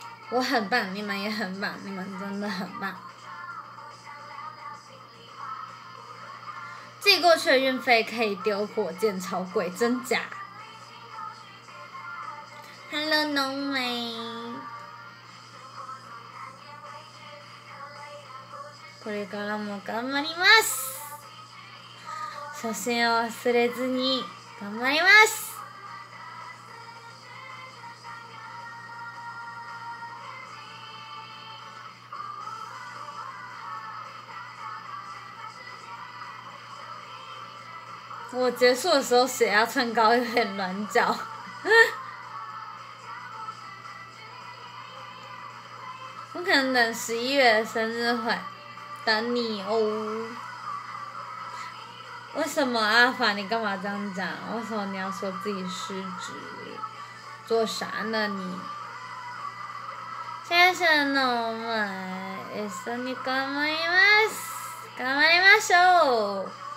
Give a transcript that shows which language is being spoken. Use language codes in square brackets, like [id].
[zh] 我很棒，你们也很棒，你们真的很棒。寄过去的运费可以丢火箭，超贵，真假 ？Hello， 浓眉。 [ja] これからも頑張ります。初心を忘れずに頑張ります。 [zh] 我结束的时候血压蹭高，有点软脚。我可能等11月的生日会等你哦。为什么阿法，你干嘛这样讲？为什么你要说自己失职？做啥呢你？谢谢侬们， [ja] 一緒に頑張ります，頑張りましょう。